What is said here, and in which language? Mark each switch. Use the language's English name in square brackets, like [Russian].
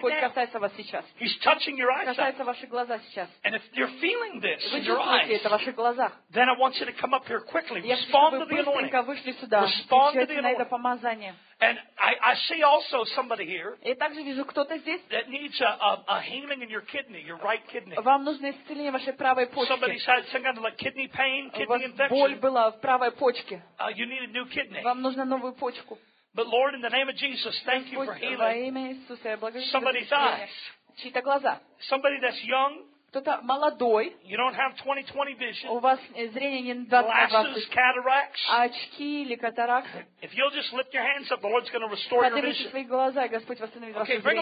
[Russian] Господь касается вас сейчас. Касается ваших глаз сейчас. И вы чувствуете это в ваших глазах, я хочу, чтобы вы быстренько вышли сюда, отвечайте на это помазание. [English] And I see also somebody here. [Russian] И также вижу кто-то здесь. [English] That needs a healing in your kidney, your right kidney. [Russian] Вам нужно исцеление вашей правой почки. [English] Somebody had some kind of like kidney pain, kidney infection. [Russian] Боль была в правой почке. [English] You need a new kidney. [Russian] Вам нужна новую почку. [English] But Lord, in the name of Jesus, thank you for healing. [Russian] Во имя Иисуса, я благодарю. [English] Somebody's eyes. [Russian] Чьи-то глаза. [English] Somebody that's young. [Russian] Кто-то молодой. [English] You don't have 20/20 vision. [Russian] У вас зрение не 20/20. Очки или катаракты. [English] If you'll just lift your hands up, the Lord's going to restore your vision. [Russian] Поднимите свои глаза, и Господь восстановит ваше зрение.